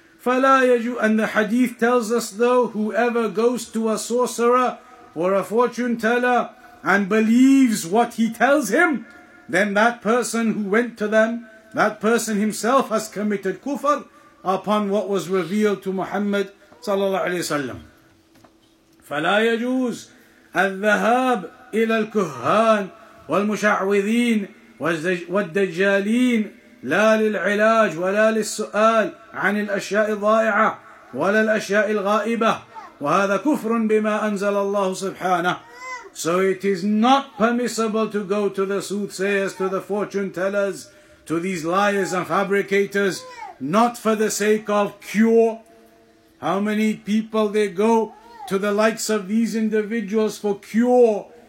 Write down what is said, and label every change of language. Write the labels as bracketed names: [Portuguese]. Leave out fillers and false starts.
[Arabic] فَلَا يَجُوا [English] And the hadith tells us though, whoever goes to a sorcerer or a fortune teller and believes what he tells him, then that person who went to them, that person himself has committed kufr upon what was revealed to Muhammad sallallahu alayhi wa sallam. [Arabic] فَلَا يَجُوز الذهاب إلى الكهان والمشعوذين والدجالين لا للعلاج ولا للسؤال عن الأشياء الضائعة ولا الأشياء الغائبة وهذا كفر بما أنزل الله سبحانه. [English] So it is not permissible to go to the soothsayers, to the fortune tellers, to these liars and fabricators, not for the sake of cure. How many people they go to the likes of these individuals for cure?